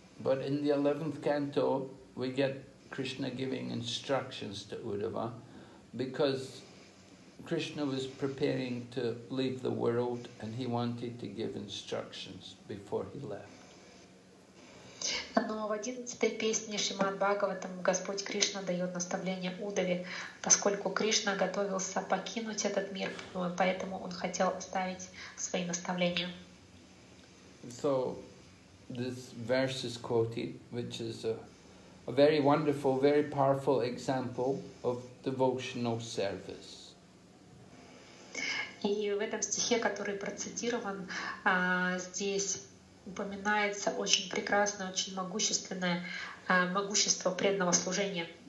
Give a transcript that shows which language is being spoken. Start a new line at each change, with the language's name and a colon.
English: But in the 11th canto, we get Krishna giving instructions to Udava, because Krishna was preparing to leave the world, and he wanted to give instructions before he left.
Russian: Но в 11-й песне Шримад Бхагаватам Господь Кришна дает наставление Удаве, поскольку Кришна готовился покинуть этот мир, поэтому он хотел оставить свои наставления.
English: So, this verse is quoted, which is a very wonderful, very powerful example of devotional service.
Russian: И в этом стихе, который процитирован здесь, упоминается очень прекрасное, очень могущественное могущество преданного служения.